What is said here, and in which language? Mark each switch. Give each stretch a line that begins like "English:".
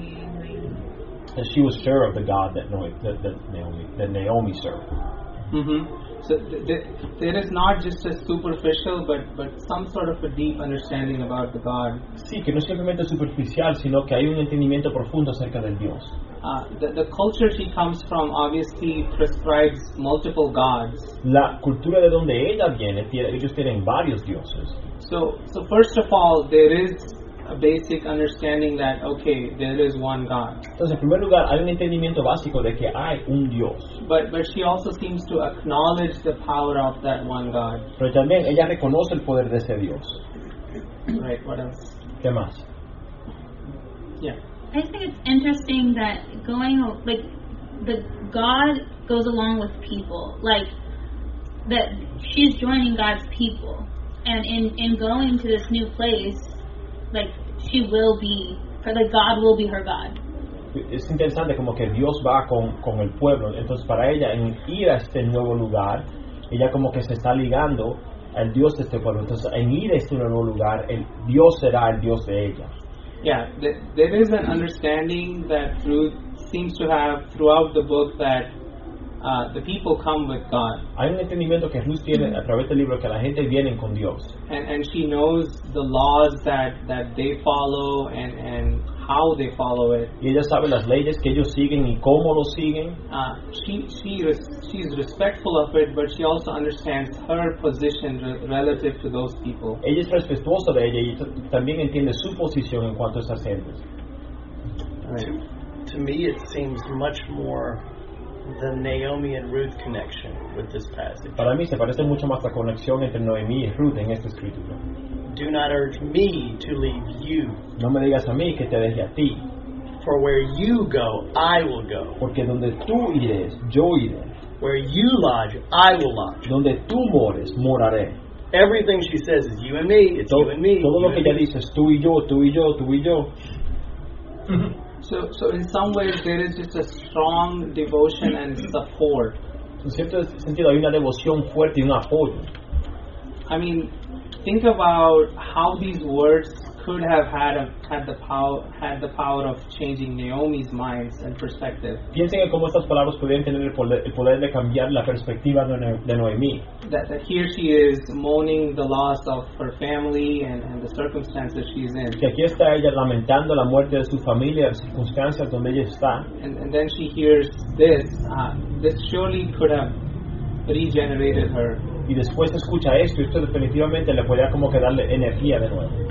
English: And she was sure of the God that Naomi served. Mm-hmm. So there is not just a superficial, but some sort of a deep understanding about the God.
Spanish: Sí, que no es simplemente superficial, sino que hay un entendimiento profundo acerca del Dios.
English: The culture she comes from obviously prescribes multiple gods.
Spanish: La cultura de donde ella viene, ellos tienen varios dioses.
English: So first of all, there is a basic understanding that, okay, there is one God.
Spanish: Entonces, en primer lugar, hay un entendimiento básico de que hay un Dios.
English: But she also seems to acknowledge the power of that one God.
Spanish: Pero también ella reconoce el poder de ese Dios.
English: Right, what else?
Spanish: ¿Qué más?
English: Yeah. I think it's interesting that going, like, the God goes along with people. Like, that she's joining God's people. And in going to this new place, like she will be, for the God will be her God.
Spanish: Es interesante como que Dios va con el pueblo. Entonces para ella en ir a este nuevo lugar, ella como que se está ligando al Dios de este pueblo. Entonces en ir a este nuevo lugar, el Dios será el Dios de ella.
English: Yeah, there is an understanding that Ruth seems to have throughout the book that the people come with God.
Spanish: Hay un entendimiento que Ruth tiene a través del libro que la gente viene con Dios.
English: And she knows the laws that they follow and how they follow it.
Spanish: Y ella sabe las leyes que ellos siguen y cómo lo siguen.
English: She's respectful of it, but she also understands her position relative to those people.
Spanish: Ella es respetuosa de ella y también entiende su posición en cuanto a esas gentes.
English: To me, it seems much more the Naomi and Ruth connection with this passage.
Spanish: Para mí se parece mucho más la conexión entre Noemí y Ruth en esta escritura.
English: Do not urge me to leave you.
Spanish: No me digas a mí que te deje a ti.
English: For where you go, I will go.
Spanish: Porque donde tú ires, yo iré.
English: Where you lodge, I will lodge.
Spanish: Donde tú mores, moraré.
English: Everything she says is you and me. It's you and me.
Spanish: Todo lo que ella dice es tú y yo, tú y yo, tú y yo.
English: So in some ways there is just a strong devotion and support.
Spanish: En cierto sentido hay una devoción fuerte y un apoyo.
English: I mean, think about how these words could have had the power of changing Naomi's mind and perspective.
Spanish: Piensen en cómo estas palabras podrían tener el poder de cambiar la perspectiva de Noemí.
English: That here she is mourning the loss of her family and the circumstances she's in.
Spanish: Que aquí está ella lamentando la muerte de su familia, las circunstancias donde ella está.
English: And then she hears this. This surely could have regenerated her.
Spanish: Y después escucha esto, y esto definitivamente le podría como que darle energía de nuevo.